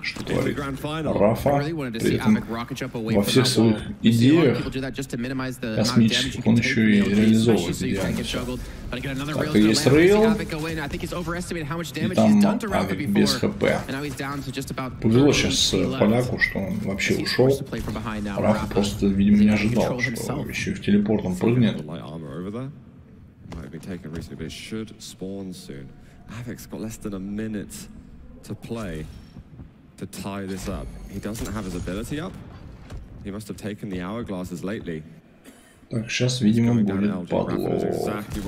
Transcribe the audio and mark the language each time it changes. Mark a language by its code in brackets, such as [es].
[ru] Что творит Rapha при этом во всех своих идеях космических он еще и реализовывает идеально. Так, и есть рейл. И там Av3k без хп. Повезло сейчас поляку, что он вообще ушел. Rapha просто, видимо, не ожидал, что еще и в телепорт он прыгнет. [en] Av3k's got less than a minute to play to tie this up. He doesn't have his ability up. He must have taken the hourglasses lately. [ru] Так, сейчас, видимо, будет падло.